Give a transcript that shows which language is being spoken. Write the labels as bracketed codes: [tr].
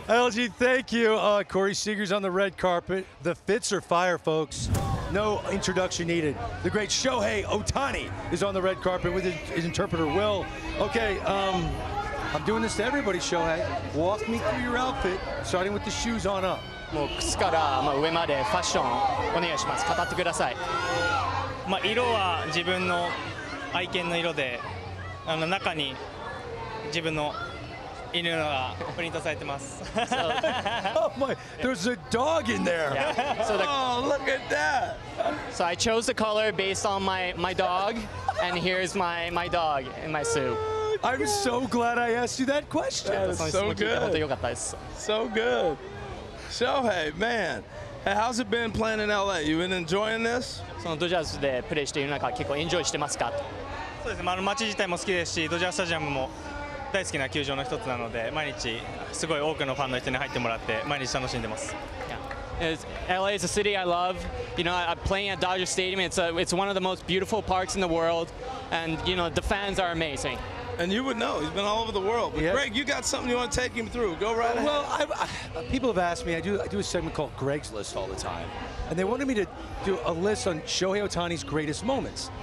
[en] LG, thank you. Corey Seager's on the red carpet. The fits are fire, folks. No introduction needed. The great Shohei Ohtani is on the red carpet with his interpreter, Will. Okay, I'm doing this to everybody, Shohei. Walk me through your outfit, starting with the shoes on up. [ja] もう靴から上までファッションお願いします。語ってください。まあ、色は自分の愛犬の色で、あの中に自分の犬のがプリントされてます。 [en] Oh my, there's a dog in there. Oh, look at that. So I chose the color based on my dog, and here's my dog in my suit. I'm so glad I asked you that question. That's so good. Shohei, man, hey, how's it been playing in LA? You been enjoying this? [ja] So, ドジャースでプレーしている中、結構エンジョイしてますか？そうですね。まあ、街自体も好きですし、ドジャーススタジアムも大好きな球場の一つなので、毎日すごい多くのファンの人に入ってもらって、毎日楽しんでます。 [en] LA is a city I love. You know, I'm playing at Dodger Stadium. It's one of the most beautiful parks in the world. And, you know, the fans are amazing. And you would know, he's been all over the world. But yep. Greg, you got something you want to take him through. Go right well, ahead. Well, people have asked me, I do a segment called Greg's List all the time. And they wanted me to do a list on Shohei Ohtani's greatest moments.